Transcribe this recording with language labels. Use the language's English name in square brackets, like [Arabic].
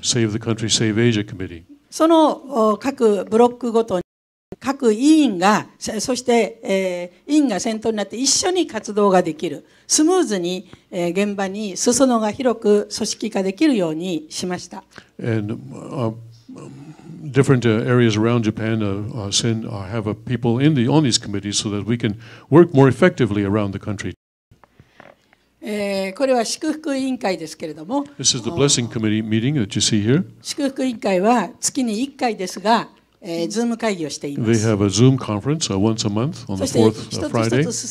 [English] the Save the Country, Save Asia Committee. [Japanese] その, 各ブロックごとに各委員が、そして委員が先頭になって一緒に活動ができる、スムーズに現場に裾野が広く組織化できるようにしました。 [English] And different areas around Japan send have people in the on these committees so that we can work more effectively around the country. [Japanese] これは祝福委員会ですけれども。 [English] This is the Blessing Committee meeting that you see here. [Japanese] 祝福委員会は月に1回ですが、 [English] They have a Zoom conference once a month on the fourth Friday.